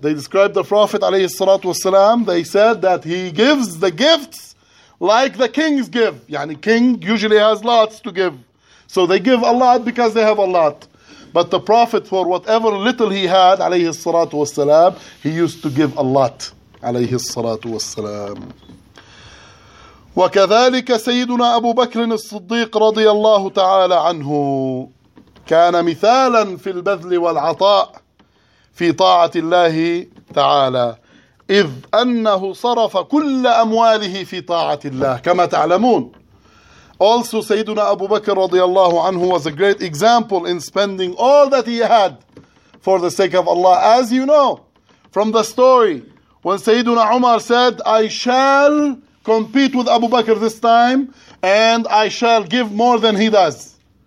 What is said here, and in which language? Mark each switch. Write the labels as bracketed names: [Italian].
[English] They described the Prophet [Arabic] عليه الصلاة والسلام. [English] They said that he gives the gifts like the kings give. يعني king usually has lots to give. So they give a lot because they have a lot. But the Prophet, for whatever little he had [Arabic] عليه الصلاة والسلام, [English] he used to give a lot عليه الصلاة والسلام. [Arabic] وكذلك سيدنا أبو بكر الصديق رضي الله تعالى عنه كان مثالا في البذل والعطاء في طاعة الله تعالى إذ أنه صرف كل أمواله في طاعة الله كما تعلمون. [English] Also [Arabic] سيدنا أبو بكر رضي الله عنه [English] was a great example in spending all that he had for the sake of Allah. As you know from the story, when سيدنا عمر said, I shall compete with Abu Bakr this time and I shall give more than he does.